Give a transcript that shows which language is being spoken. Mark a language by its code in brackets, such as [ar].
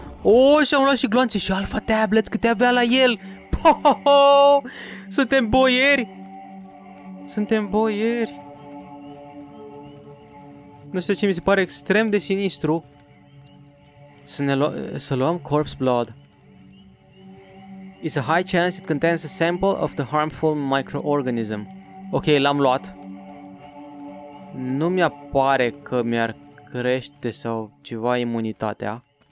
[ro] Oh, și-am luat și gloanțe și alfa tablets câte avea la el. Po-ho-ho! Suntem boieri! Suntem boieri! Nu știu ce, mi se pare extrem de sinistru să luăm corpse blood. [en] It's a high chance it contains a sample of the harmful microorganism. [ro] Ok, l-am luat. Nu mi-apare că mi-ar crește sau ceva imunitatea.